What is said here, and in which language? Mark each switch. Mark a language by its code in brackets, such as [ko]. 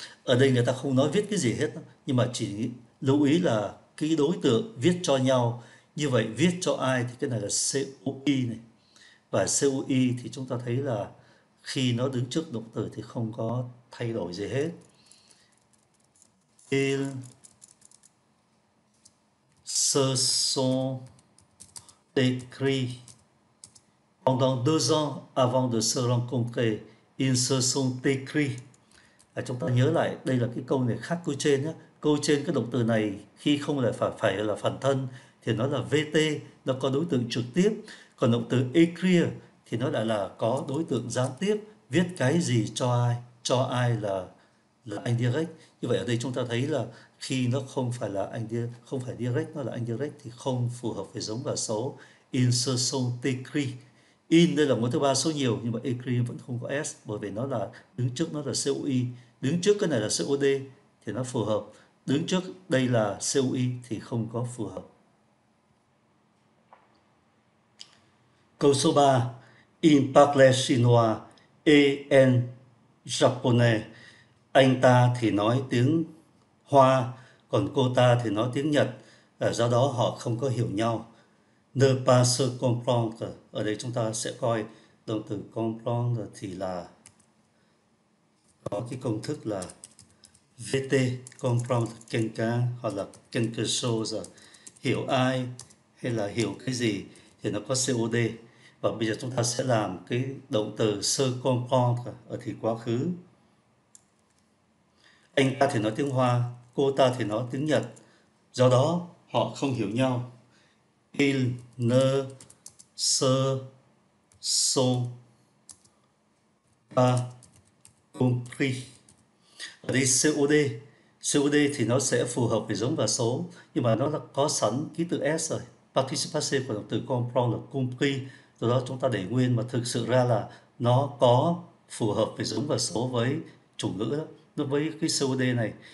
[vi] Ở đây người ta không nói viết cái gì hết, nhưng mà chỉ lưu ý là cái đối tượng viết cho nhau. Như vậy viết cho ai thì cái này là COI này. Và COI thì chúng ta thấy là khi nó đứng trước động từ thì không có thay đổi gì hết. [fr] Ils se sont écrits pendant 2 ans avant de se rencontrer. Ils se sont écrits. [vi] Chúng ta nhớ lại, đây là cái câu này khác câu trên nhé. Câu trên cái động từ này khi không lại phải là phản thân thì nó là VT, nó có đối tượng trực tiếp. Còn động từ écrire thì nó lại là có đối tượng gián tiếp, viết cái gì cho ai là indirect. Như vậy ở đây chúng ta thấy là khi nó không phải là không phải direct, nó là indirect thì không phù hợp với giống và số. [fr] In se sont écrits. [vi] In đây là ngôi thứ ba số nhiều, nhưng mà écrit vẫn không có s, bởi vì nó là đứng trước, nó là COI, đứng trước cái này là COD thì nó phù hợp, đứng trước đây là COI thì không có phù hợp. Câu số 3. [fr] Il parlait chinois et en japonais. [vi] Anh ta thì nói tiếng Hoa, còn cô ta thì nói tiếng Nhật, do đó họ không có hiểu nhau. [fr] Ne pas se comprendre. [vi] Ở đây chúng ta sẽ coi động từ comprendre thì là có cái công thức là VT, [fr] comprendre quelqu'un [vi] hoặc là [fr] quelque chose, [vi] hiểu ai hay là hiểu cái gì, thì nó có COD. Và bây giờ chúng ta sẽ làm cái động từ se comprendre ở thì quá khứ. Anh ta thì nói tiếng Hoa, cô ta thì nói tiếng Nhật, do đó họ không hiểu nhau. [fr] Ils ne se sont pas compris. [vi] Ở đây COD, COD thì nó sẽ phù hợp với giống và số, nhưng mà nó là có sẵn ký tự S rồi. Participe của động từ comprendre là compris, từ đó chúng ta để nguyên, mà thực sự ra là nó có phù hợp với giống và số với chủ ngữ đó, nó với cái COD này.